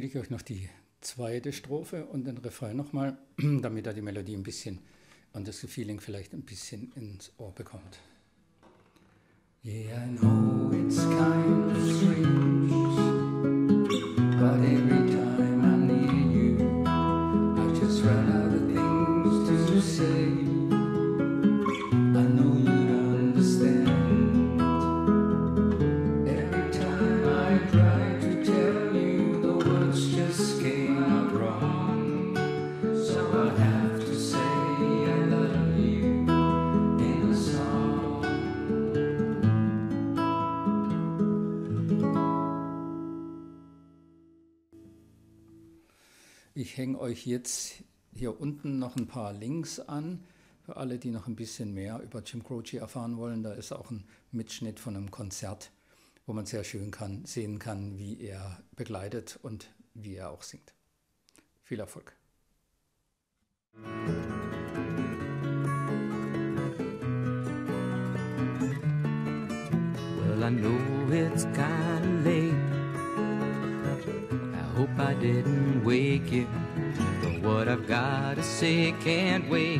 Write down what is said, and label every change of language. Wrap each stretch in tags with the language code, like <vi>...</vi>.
<de>noch die zweite Strophe und den Refrain nochmal, damit er die Melodie ein bisschen und das Feeling vielleicht ein bisschen ins Ohr bekommt.</de> <en>Yeah, I know it's kind of strange, but every time I near you, I just run out of things to say.</en> <de>Ich hänge euch jetzt hier unten noch ein paar Links an, für alle, die noch ein bisschen mehr über Jim Croce erfahren wollen. Da ist auch ein Mitschnitt von einem Konzert, wo man sehr schön sehen kann, wie er begleitet und wie er auch singt. Viel Erfolg!</de> <en>Well, I know it's kind of late. I hope I didn't wake you. What I've got to say can't wait.</en>